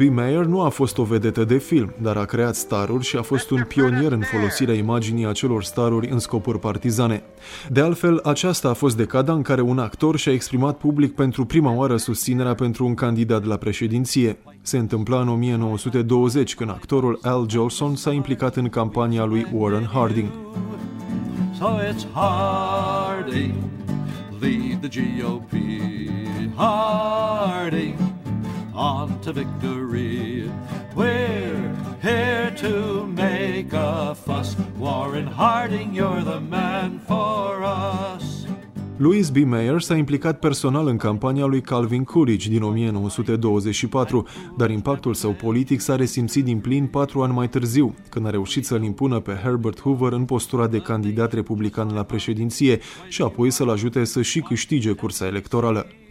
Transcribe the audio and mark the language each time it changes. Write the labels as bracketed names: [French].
[Romanian] Mayer nu a fost o vedetă de film, dar a creat staruri și a fost un pionier în folosirea imaginii acelor staruri în scopuri partizane. De altfel, aceasta a fost decada în care un actor și-a exprimat public pentru prima oară susținerea pentru un candidat la președinție. Se întâmpla în 1920, când actorul Al Jolson s-a implicat în campania lui Warren Harding. [English] So it's Hardy, lead the GOP, Hardy. On to victory, we're here to make a fuss. Warren Harding, you're the man for us. [Romanian] Louis B. Mayer s-a implicat personal în campania lui Calvin Coolidge din 1924, dar impactul său politic s-a resimțit din plin 4 ani mai târziu, când a reușit să-l impună pe Herbert Hoover în postura de candidat republican la președinție și apoi să-l ajute să și câștige cursa electorală.